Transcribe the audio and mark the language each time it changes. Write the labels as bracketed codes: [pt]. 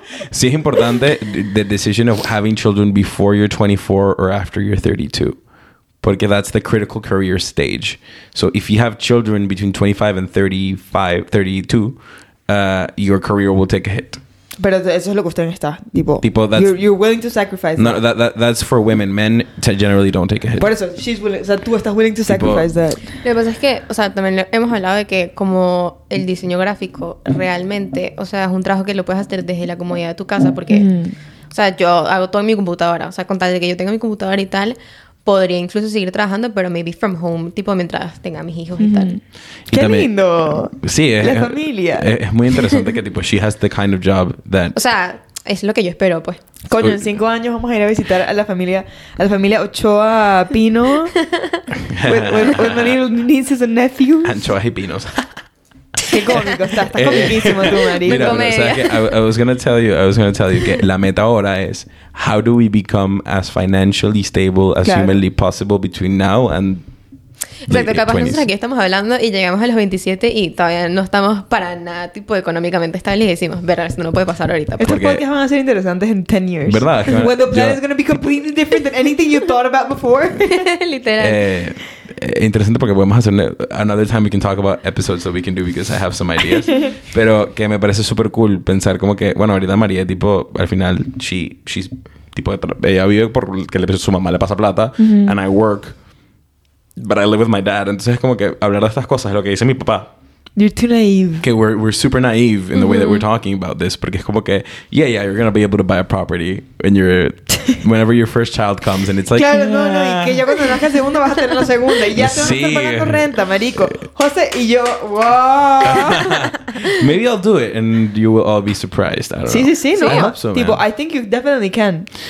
[en] Sí, es importante the decision of having children before you're 24 or after you're 32. Porque that's the critical career stage. So if you have children between 25 and 35, 32, your career will take a hit. [es] Pero eso es lo que usted está, tipo... [en] Tipo, that's... You're willing to sacrifice that. No, that's for women. Men generally don't take a hit. [es] Por eso, she's willing... O sea, tú estás willing to sacrifice tipo, that. Lo que pasa es que, o sea, también hemos hablado de que como el diseño gráfico realmente, o sea, es un trabajo que lo puedes hacer desde la comodidad de tu casa porque, o sea, yo hago todo en mi computadora. O sea, con tal de que yo tenga mi computadora y tal, podría incluso seguir trabajando, pero maybe from home, tipo mientras tenga mis hijos y tal. Y ¡qué también, lindo! Sí, es... La familia. [en] Es muy interesante que, tipo, she has the kind of job that... [es] O sea, es lo que yo espero, pues. Coño, en 5 años vamos a ir a visitar a la familia... [en] A la familia Ochoa Pino. with my little nieces and nephews. [es] Anchoas y pinos. Qué cómico, estás comiquísimo tú, marido. [en] Mira, o sea, que I was gonna tell you que la meta ahora es how do we become as financially stable as humanly possible between now and [es] exacto, capaz 20s. Nosotros aquí estamos hablando y llegamos a los 27 y todavía no estamos para nada tipo económicamente estables y decimos, verdad, esto no puede pasar ahorita. Estos podcasts van a ser interesantes en 10 years. ¿Verdad? [en] Es que when the plan is going to be completely different than anything you thought about before. [es] Literal. [en] Interesante porque podemos hacer another time we can talk about episodes that we can do because I have some ideas. [es] Pero que me parece super cool pensar como que, bueno, ahorita María, tipo, al final, she's tipo, ella vive porque su mamá le pasa plata. Mm-hmm. And I work. But I live with my dad. Entonces es como que hablar de estas cosas es lo que dice mi papá. [en] You're too naive. Que we're super naive in the mm-hmm. way that we're talking about this. Porque es como que, yeah, you're going to be able to buy a property when you're, whenever your first child comes. And it's like, [es] claro, yeah. Claro, no. Y que ya cuando nazca el segundo vas a tener la segunda. Y ya se sí. van a pagar renta, marico. José y yo, wow. [en] Maybe I'll do it and you will all be surprised. I don't [es] sí, [en] know. [es] Sí, sí, sí. No. [en] I hope so, man. Tipo, I think you definitely can.